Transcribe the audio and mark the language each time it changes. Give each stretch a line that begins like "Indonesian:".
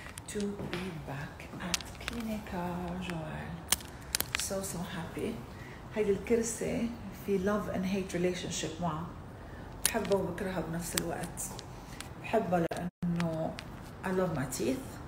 English: to be back at Clinica Joel. So so happy.
Arabic: هيدي الكرسي في
English: love and hate relationship
Arabic: معه. بحبه وبكرهه بنفس الوقت. بحبه لأنه
English: I love my teeth.